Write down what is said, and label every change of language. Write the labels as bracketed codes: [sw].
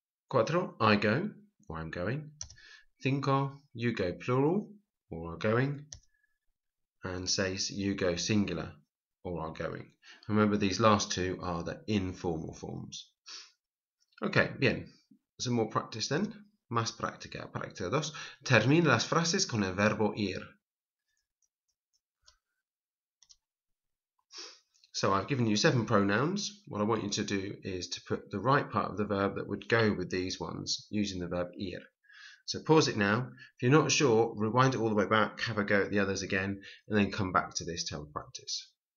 [en] Cuatro, I go, or I'm going. Cinco, you go, plural, or are going. And seis, you go, singular, or are going. Remember, these last two are the informal forms. Okay, bien. Some more practice then. [es] Más práctica. Práctica dos. Termina las frases con el verbo ir. [en] So I've given you seven pronouns. What I want you to do is to put the right part of the verb that would go with these ones using the verb ir. So pause it now. If you're not sure, rewind it all the way back, have a go at the others again, and then come back to this to have a practice.